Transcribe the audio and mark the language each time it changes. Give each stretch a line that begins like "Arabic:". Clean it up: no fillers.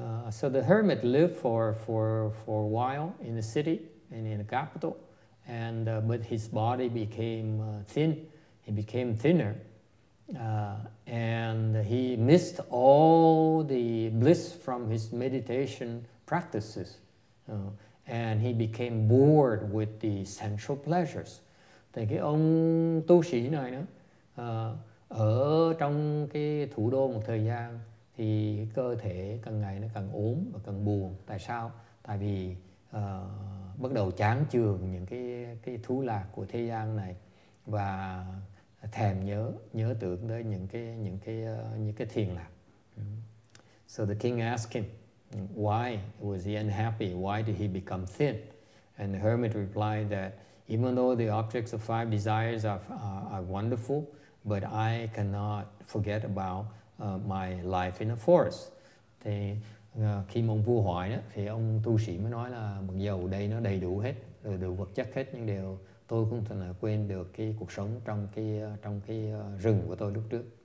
English: So the hermit lived for a while in the city and in the capital, but his body became thin. He became thinner, and he missed all the bliss from his meditation practices, and he became bored with the sensual pleasures.
Vietnamese: Thì cái ông tu sĩ này nữa, ở trong cái thủ đô một thời gian thì cơ thể càng ngày nó càng ốm và càng buồn. Tại sao? Tại vì bắt đầu chán chường những cái thú lạc của thế gian này và thèm nhớ tưởng tới những cái thiền lạc.
English: So the king asked him, why was he unhappy? Why did he become thin? And the hermit replied that even though the objects of five desires are wonderful, but I cannot forget about my life in the forest.
Vietnamese: Thì khi mà ông vua hỏi đó, thì ông tu sĩ mới nói là mặc dầu đây nó đầy đủ hết, rồi đủ vật chất hết, nhưng điều tôi cũng không thể nào quên được cái cuộc sống trong cái rừng của tôi lúc trước.